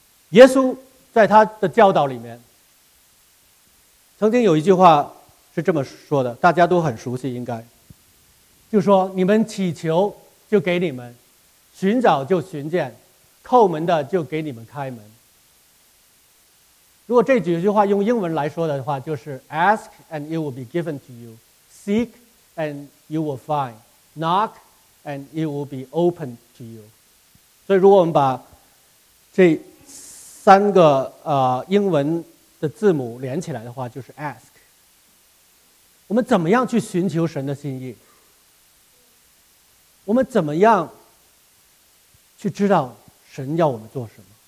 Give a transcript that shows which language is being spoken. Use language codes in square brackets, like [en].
[zh] 耶稣在他的教导里面曾经有一句话是这么说的，大家都很熟悉，应该就说，你们祈求就给你们，寻找就寻见，叩门的就给你们开门。如果这几句话用英文来说的话，就是 [en] Ask and it will be given to you, Seek and you will find, Knock and it will be opened to you。 [zh] 所以如果我们把这三个英文的字母连起来的话就是 ask。我们怎么样去寻求神的心意？我们怎么样去知道神要我们做什么？